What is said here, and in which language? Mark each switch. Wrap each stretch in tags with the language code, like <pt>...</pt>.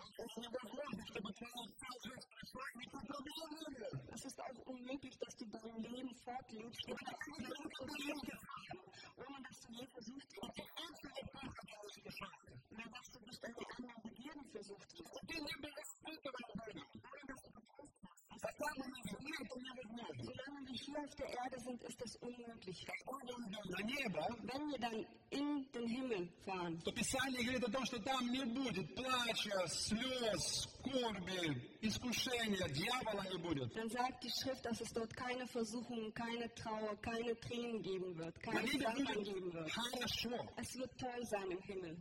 <de>Es ist auch unmöglich, dass du dein Leben fortlebst, ohne dass du je versucht hast, solange wir hier auf der Erde sind, ist das unmöglich. Wenn wir dann in den Himmel fahren,</de> <ru>то Писание говорит о том, что там не будет плача, слез, скорби, искушения, дьявола не будет.</ru> <de>Dann sagt die Schrift, dass es dort keine Versuchung, keine Trauer, keine Tränen geben wird, kein Leiden geben wird.</de> <ru>Хорошо.</ru> <de>Es wird toll sein im Himmel.</de>